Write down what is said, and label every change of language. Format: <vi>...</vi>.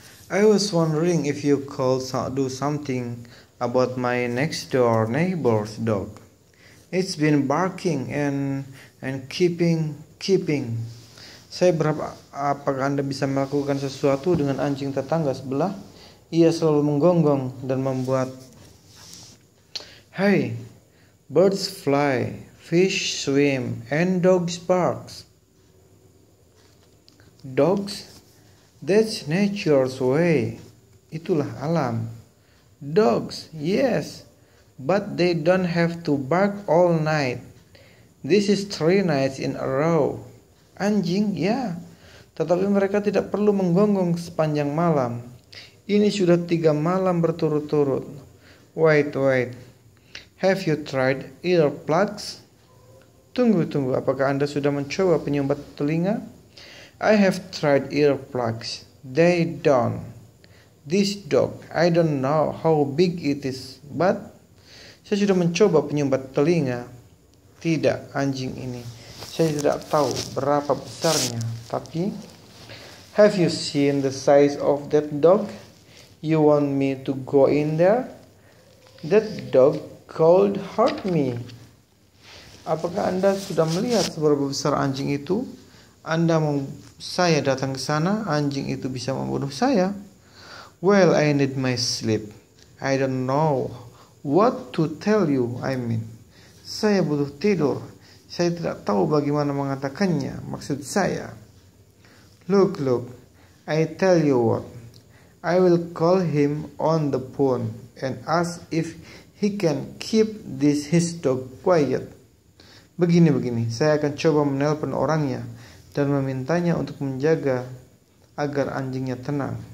<en>I was wondering if you could do something about my next door neighbor's dog. It's been barking and keeping.</en> <id>Saya berharap apakah Anda bisa melakukan sesuatu dengan anjing tetangga sebelah? Ia selalu menggonggong dan membuat...</id> <en>Hey, birds fly, fish swim, and dogs bark. Dogs? That's nature's way.</en> <id>Itulah alam.</id> <en>Dogs, yes. But they don't have to bark all night. This is 3 nights in a row.</en> <id>Anjing, ya. Tetapi mereka tidak perlu menggonggong sepanjang malam. Ini sudah 3 malam berturut-turut.</id> <en>Wait. Have you tried earplugs?</en> <id>Tunggu. Apakah Anda sudah mencoba penyumbat telinga?</id> <en>I have tried earplugs. They don't. This dog, I don't know how big it is, but...</en> <id>Saya sudah mencoba penyumbat telinga. Tidak, anjing ini. Saya tidak tahu berapa besarnya, tapi...</id> <en>Have you seen the size of that dog? You want me to go in there? That dog could hurt me.</en> <id>Apakah Anda sudah melihat seberapa besar anjing itu? Anda mau saya datang ke sana, anjing itu bisa membunuh saya.</id> <en>Well, I need my sleep. I don't know what to tell you, I mean.</en> <id>Saya butuh tidur. Saya tidak tahu bagaimana mengatakannya, maksud saya.</id> <en>Look, look, I tell you what. I will call him on the phone and ask if he can keep this his dog quiet.</en> <id>Begini-begini, saya akan coba menelpon orangnya dan memintanya untuk menjaga agar anjingnya tenang.</id>